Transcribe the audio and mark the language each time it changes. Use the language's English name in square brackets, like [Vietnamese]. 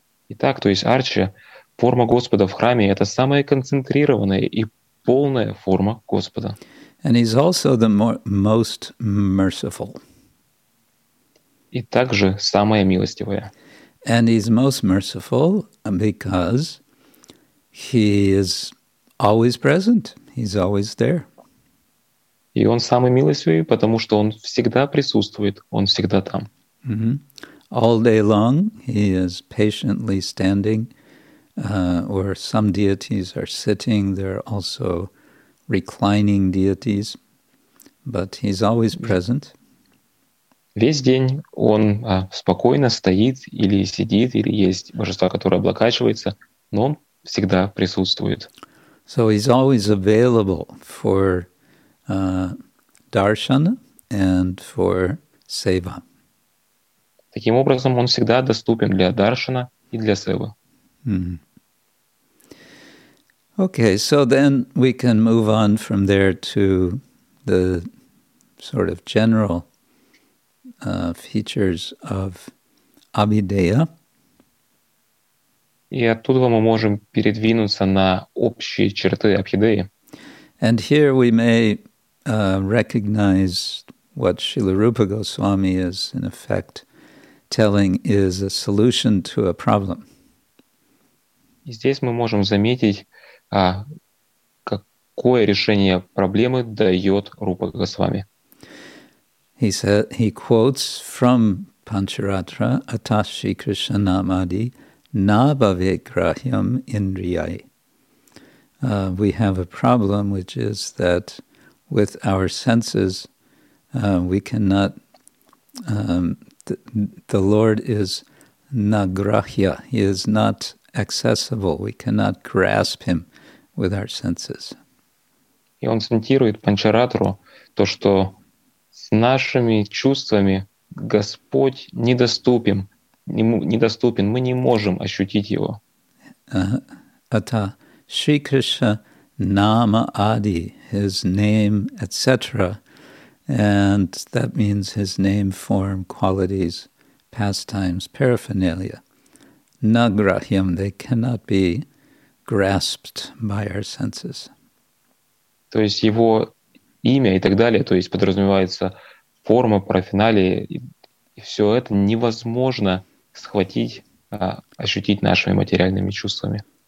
[Russian] Итак, то есть Арча, форма Господа в храме — это самая концентрированная и полная форма Господа. [English] And he's also the most merciful. [Russian] И также самая милостивая. [English] And he's most merciful because he is always present. He's always there. [Russian] И он самый милостивый, потому что он всегда присутствует, он всегда там. [English] Mm-hmm. All day long he is patiently standing. Or some deities are sitting, there are also reclining deities, but he's always present. [Russian] Весь день он спокойно стоит или сидит, или есть божество, которое облокачивается, но он всегда присутствует. [English] So he's always available for darshan and for seva. [Russian] Таким образом, он всегда доступен для даршана и для севы. [English] Okay, so then we can move on from there to the sort of general features of Abhideya. [Russian] И оттуда мы можем передвинуться на общие черты Абхидеи. [English] And here we may recognize what Srila Rupa Goswami is, in effect, telling is a solution to a problem. [Russian] И здесь мы можем заметить, какое решение проблемы дает Рупа Госвами? [English] He quotes from Pancharatra, Atashi Krishna Namadi, Nabhavegrahyam Indriyai. We have a problem, which is that with our senses, we cannot, the Lord is Nagrahya, He is not accessible, we cannot grasp Him with our senses. [Russian] И он цитирует Панчаратру то, что с нашими чувствами Господь недоступен, недоступен, мы не можем ощутить его. [English] Ата Шри Кришна Нама Ади, his name, etc. And that means his name, form, qualities, pastimes, paraphernalia, nagrahyam, they cannot be grasped by our senses. [Russian] То есть его имя и так далее, то есть подразумевается форма, парафиналии, и все это невозможно схватить, ощутить нашими материальными чувствами.